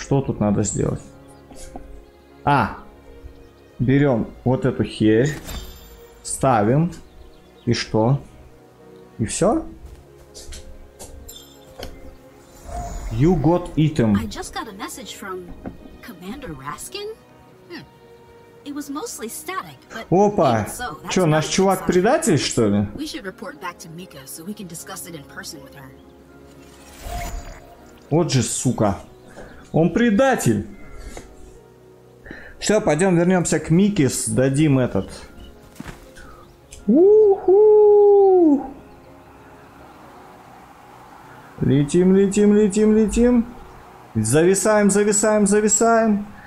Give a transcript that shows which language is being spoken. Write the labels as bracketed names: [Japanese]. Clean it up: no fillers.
[Russian] Что тут надо сделать? А! Берем вот эту херь. Ставим. И что? И все? [English] You got eaten. I just got a message from Commander Raskin? It was mostly static, but... Опа! [Russian] Че, наш чувак предатель, что ли? [English] We should report back to Mika, so we can discuss it in person with her. [Russian] Вот же сука. Он предатель. Все, пойдем вернемся к Микис. Дадим этот. У-ху! Летим, летим, летим, летим. Зависаем, зависаем, зависаем.